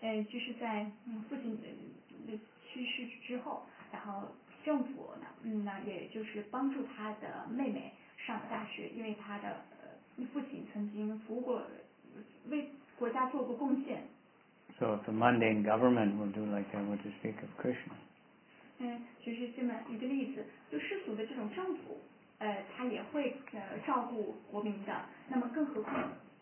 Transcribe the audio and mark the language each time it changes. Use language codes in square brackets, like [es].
[zh] 就是在父亲的去世之后，然后政府那也就是帮助他的妹妹上大学，因为他的父亲曾经服务过，为国家做过贡献。 [en] So if the mundane government will do like that, what to speak of Krishna? [zh] 就是这么一个例子，就世俗的这种政府，他也会照顾国民的，那么更何况。